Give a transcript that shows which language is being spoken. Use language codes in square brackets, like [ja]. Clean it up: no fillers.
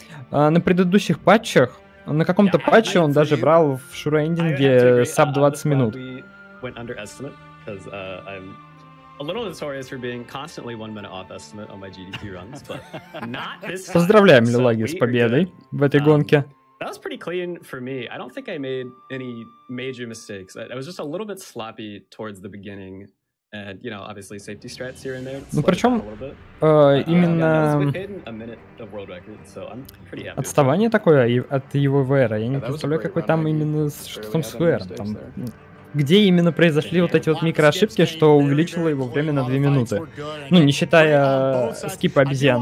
[ru] На предыдущих патчах на каком-то патче он даже брал в Шурэндинге саб 20 минут. Поздравляем Лилаги с победой в этой гонке. [en] That was pretty clean for me. I don't think I made any major mistakes. I was just a little bit sloppy towards the beginning. And, you know, obviously safety strats here and there. [ru] Ну причем именно отставание такое от его VR. Я не представляю, какой там именно что там с VR. Там, где именно произошли вот эти вот микроошибки, что увеличило его время на 2 минуты. Ну, не считая скипа обезьян.